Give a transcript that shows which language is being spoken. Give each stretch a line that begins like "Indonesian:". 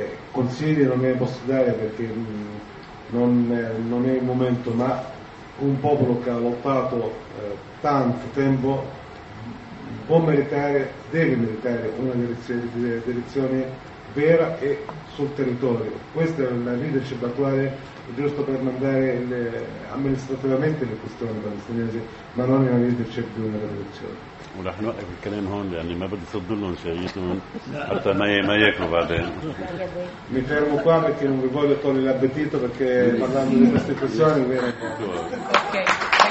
Italian: Consigli non ne posso dare perché non è il momento, ma un popolo che ha lottato tanto tempo può meritare, deve meritare una direzione vera e sul territorio. Questa è la leadership attuale, giusto per mandare amministrativamente le questioni palestinesi, ma non è una leadership di una rivoluzione.
Arabic: ونحن نوقف الكلام هون لأني ما بدي صد لهم شهيتهم حتى ما ياكلوا بعدين.
Italian: Mi fermo qua perché non vi voglio togliere l'appetito perché parlando di queste questioni.